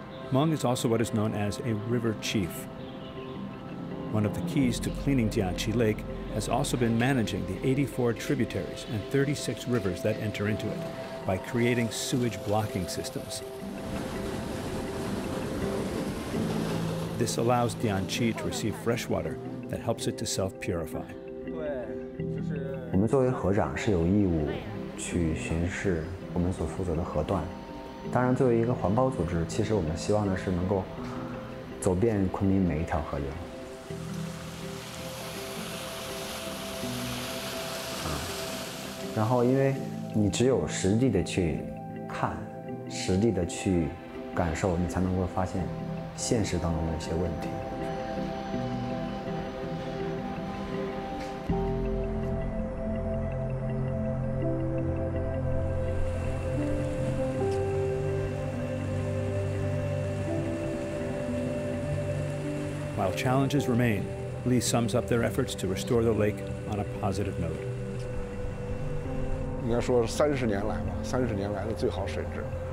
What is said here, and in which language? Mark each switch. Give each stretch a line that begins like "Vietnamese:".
English: Meng is also what is known as a river chief. One of the keys to cleaning Diangqi Lake has also been managing the 84 tributaries and 36 rivers that enter into it by creating sewage blocking systems. This allows Diangqi to receive fresh water that helps it to self-purify.
Chinese: 我们作为河长是有义务去巡视我们所负责的河段。当然作为一个环保组织，其实我们希望的是能够走遍昆明每一条河流。然后因为你只有实地的去看，实地的去感受，你才能够发现现实当中的一些问题。
English: Challenges remain. Lee sums up their efforts to restore the lake on a positive note.
Chinese: 应该说30年来的最好水质。